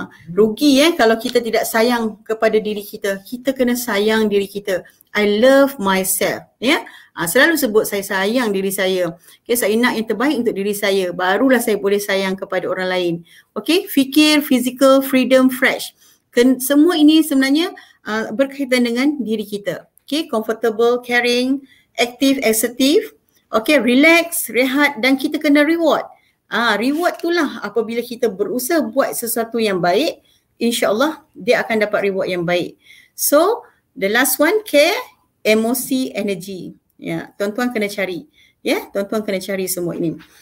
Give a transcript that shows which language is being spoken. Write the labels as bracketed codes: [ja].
[ms] Rugi kalau kita tidak sayang kepada diri kita. Kita kena sayang diri kita. [en] I love myself. Yeah? [ms] Selalu sebut saya sayang diri saya. Okay, saya nak yang terbaik untuk diri saya. Barulah saya boleh sayang kepada orang lain. [en] Okay, fikir, physical, freedom, fresh. [ms] Semua ini sebenarnya berkaitan dengan diri kita. [en] Okay, comfortable, caring, active, assertive. [ms] Okay, relax, rehat dan kita kena reward. Reward itulah apabila kita berusaha buat sesuatu yang baik, insyaAllah dia akan dapat reward yang baik. [en] So, the last one, care, emosi, energy. [ms] Ya, yeah, tuan-tuan kena cari. Ya, yeah, tuan-tuan kena cari semua ini.